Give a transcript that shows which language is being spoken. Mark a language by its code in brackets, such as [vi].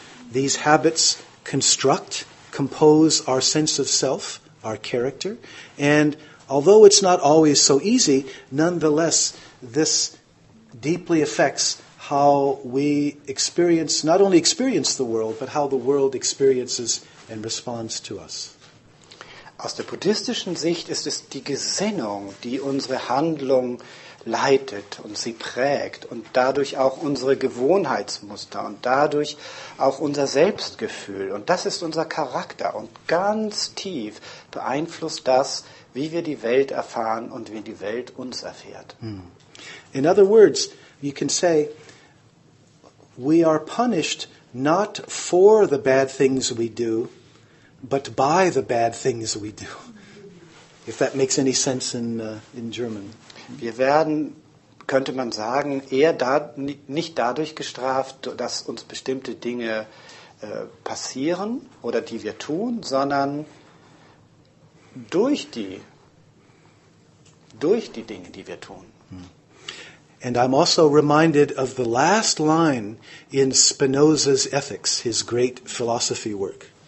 [en] These habits construct, compose our sense of self, our character. And although it's not always so easy, nonetheless, this deeply affects how we experience, not only experience the world, but how the world experiences and responds to us. [de] Aus der buddhistischen Sicht ist es die Gesinnung, die unsere Handlung leitet und sie prägt und dadurch auch unsere Gewohnheitsmuster und dadurch auch unser Selbstgefühl. Und das ist unser Charakter und ganz tief beeinflusst das, wie wir die Welt erfahren und wie die Welt uns erfährt. [en] In other words, you can say, we are punished not for the bad things we do, but by the bad things we do. If that makes any sense in German. [de] Wir werden, könnte man sagen, eher nicht dadurch gestraft, dass uns bestimmte Dinge passieren oder die wir tun, sondern durch die Dinge, die wir tun. [en] And I'm also reminded of the last line in Spinoza's Ethics, his great philosophy work.